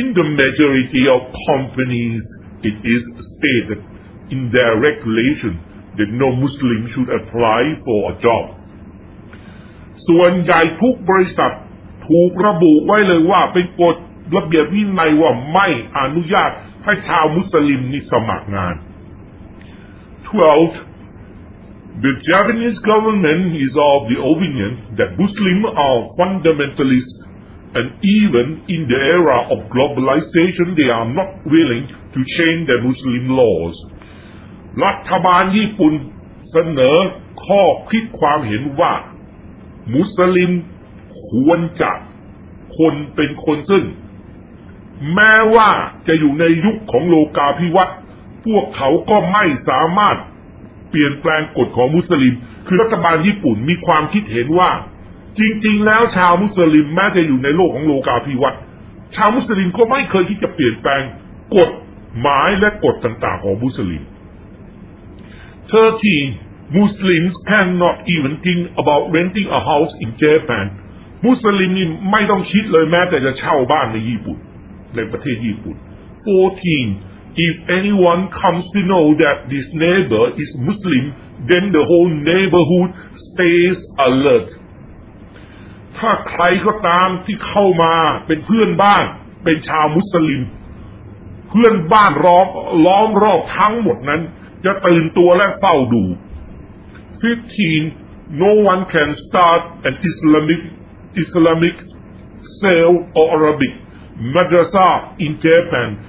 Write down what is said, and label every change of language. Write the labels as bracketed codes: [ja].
[en] In the majority of companies it is stated in their regulation that no Muslim should apply for a job [th] ส่วนใหญ่ทุกบริษัทถูกระบุไว้เลยว่าเป็นกฎระเบียบวินัยว่าไม่อนุญาตให้ชาวมุสลิมนี่สมัครงาน [en] 12. The Japanese government is of the opinion that Muslims are fundamentalists, and even in the era of globalization, they are not willing to change their Muslim laws. [th] รัฐบาลญี่ปุ่นเสนอข้อคิดความเห็นว่ามุสลิมควรจะคนเป็นคนซึ่งแม้ว่าจะอยู่ในยุคของโลกาภิวัตน์พวกเขาก็ไม่สามารถ เปลี่ยนแปลงกฎของมุสลิมคือรัฐบาลญี่ปุ่นมีความคิดเห็นว่าจริงๆแล้วชาวมุสลิมแม้จะอยู่ในโลกของโลกาภิวัตน์ชาวมุสลิมก็ไม่เคยที่จะเปลี่ยนแปลงกฎหมายและกฎต่างๆของมุสลิม 13. [en] Muslims cannot even think about renting a house in Japan [th] มุสลิมนี่ไม่ต้องคิดเลยแม้แต่จะเช่าบ้านในญี่ปุ่นในประเทศญี่ปุ่น 14. [en] If anyone comes to know that this neighbor is Muslim, then the whole neighborhood stays alert. [th] ถ้าใครก็ตามที่เข้ามาเป็นเพื่อนบ้านเป็นชาวมุสลิมเพื่อนบ้านล้อมรอบทั้งหมดนั้นจะตื่นตัวและเฝ้าดู 15. [en] No one can start an Islamic cell or Arabic madrasa in Japan.